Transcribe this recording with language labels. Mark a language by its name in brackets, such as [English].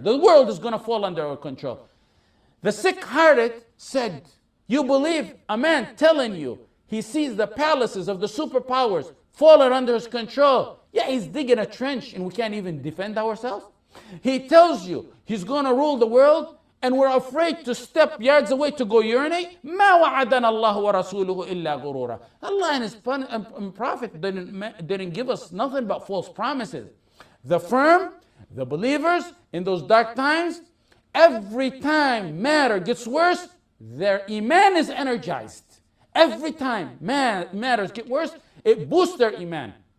[English] The world is going to fall under our control. The sick-hearted said, you believe a man telling you he sees the palaces of the superpowers falling under his control? Yeah, he's digging a trench and we can't even defend ourselves. He tells you he's going to rule the world and we're afraid to step yards away to go urinate. [Arabic] ما وعدنا الله ورسوله إلا غرورا. [English] Allah and his prophet didn't give us nothing but false promises. The firm, the believers in those dark times, every time matter gets worse, their iman is energized. Every time matters get worse, it boosts their iman.